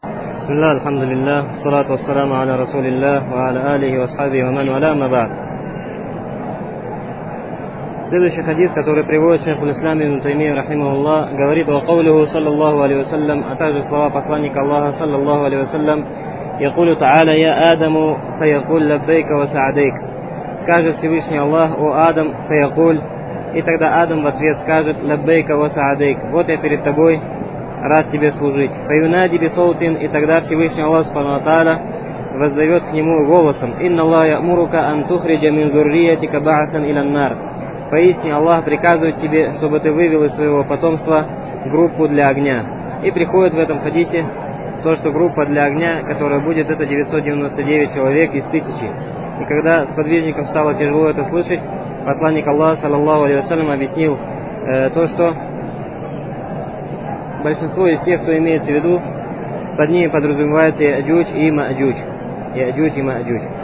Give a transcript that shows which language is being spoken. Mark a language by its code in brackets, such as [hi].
[ar] بسم الله الحمد لله والصلاة والسلام على رسول الله وعلى آله وصحبه ومن والاه ما بعد. [ru] Следующий хадис, который приводит шейх ислам ибн Таймия рахимаху Аллах, говорит о [ar] قوله صلى الله عليه وسلم, [ru] а также слова посланника Аллаха [ar] صلى الله عليه وسلم, يقول تعالى يا آدم فيقول لبيك وسعديك. [ru] Скажет Всевышний Аллах: о Адам, [ar] فيقول, [ru] и тогда Адам в ответ скажет: [ar] لبيك وسعديك, [ru] вот я перед тобой, рад тебе служить. [ar] فيُنادي بصوت, [ru] и тогда Всевышний Аллах [ar] سبحانه وتعالى [ru] воззовет к нему голосом: [ar] إن الله يأمرك أن تخرج من ذريتك بعثا إلى النار. [ru] Поистине Аллах приказывает тебе, чтобы ты вывел из своего потомства группу для огня. И приходит в этом хадисе то, что группа для огня, которая будет, это 999 человек из тысячи. И когда сподвижникам стало тяжело это слышать, посланник Аллаха, саллаллаху алейхи ва саллям, объяснил то, что большинство из тех, кто имеется в виду, под ними подразумевается Яджуч и Маджуч. Яджуч и Маджуч.